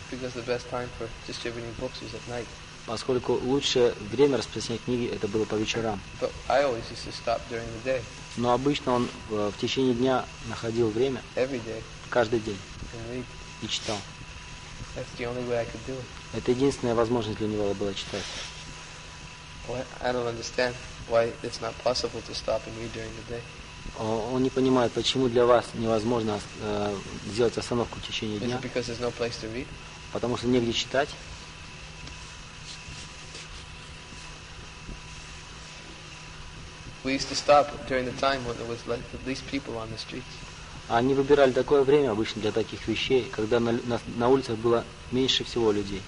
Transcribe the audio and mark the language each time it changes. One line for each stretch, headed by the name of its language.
English: Because the best time for distributing books was at night.
Russian: Поскольку лучшее время распространять книги это было по вечерам.
English: But I always used to stop during the day.
Russian: Но обычно он в течение дня находил время.
English: Every day.
Russian: Каждый день. И читал.
English: That's the only way I could do it.
Russian: Это единственная возможность для него была читать.
English: I don't understand why it's not possible to stop and read during the day.
Russian: Он не понимает, почему для вас невозможно сделать остановку в течение дня.
English: Is it because there's no place to read?
Russian: Потому что негде читать.
English: We used to stop during the time when there was like at least people on the streets.
Russian: Они выбирали такое время обычно для таких вещей, когда на улицах было меньше всего людей.